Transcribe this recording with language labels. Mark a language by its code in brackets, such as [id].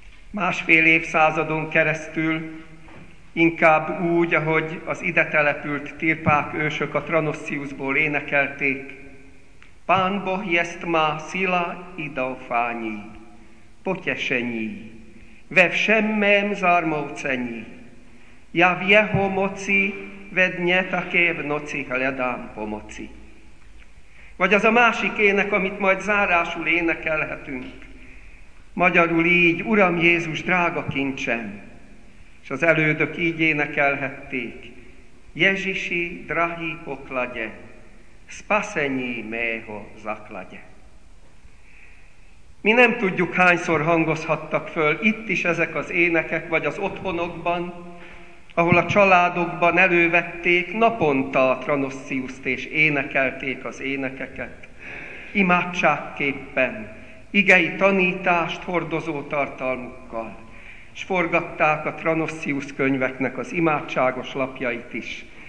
[hu] Másfél évszázadon keresztül, inkább úgy, ahogy az ide települt tirpák ősök a Tranosziuszból énekelték, [cs] Pánbo jest má sila i doufání, potěšení, ve všem mém zarmoucení. Já v jeho moci ve dně také v noci hledám pomoci. [hu] Vagy az a másik ének, amit majd zárásul énekelhetünk. Magyarul így, Uram Jézus, drága kincsem. És az elődök így énekelhették. [cs] Ježiši, drahý pokladě, spasení mého zakladě. [hu] Mi nem tudjuk, hányszor hangozhattak föl itt is ezek az énekek, vagy az otthonokban, ahol a családokban elővették naponta a Tranosziuszt, és énekelték az énekeket, imádságképpen, igei tanítást hordozó tartalmukkal, és forgatták a Tranosziusz könyveknek az imádságos lapjait is.